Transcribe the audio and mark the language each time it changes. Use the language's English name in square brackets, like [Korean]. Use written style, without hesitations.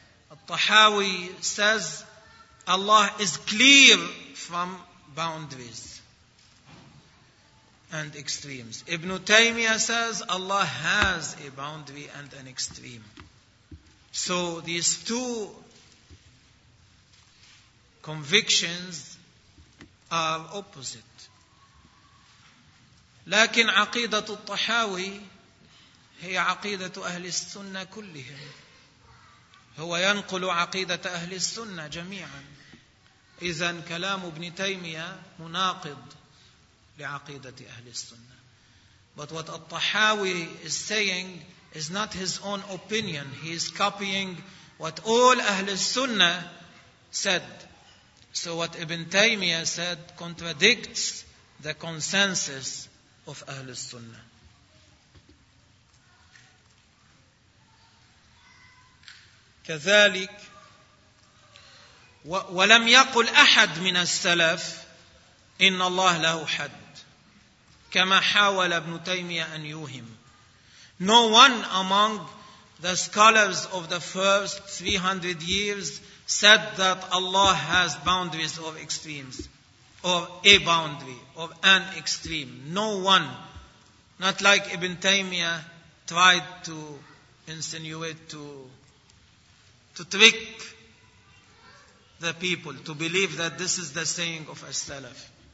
[English] Al-Tahawi says Allah is clear from boundaries and extremes. Ibn Taymiyyah says Allah has a boundary and an extreme. So these two convictions are opposite. [Arabic] لكن عقيدة الطحاوي هي عقيدة أهل السنة كلهم. هو ينقل عقيدة أهل السنة جميعا. إذن كلام ابن تيمية مناقض لعقيدة أهل السنة. [English] But what الطحاوي is saying is not his own opinion. He is copying what all Ahlul Sunnah said. So what Ibn Taymiyyah said contradicts the consensus of Ahlul Sunnah. [Arabic] كذلك ولم يقل أحد من السلف إن الله له حد كما حاول ابن تيمية أن يوهم. [English] No one among the scholars of the first 300 years said that Allah has boundaries of extremes, or a boundary, or an extreme. No one, not like Ibn Taymiyyah tried to insinuate, to trick the people to believe that this is the saying of as-salaf.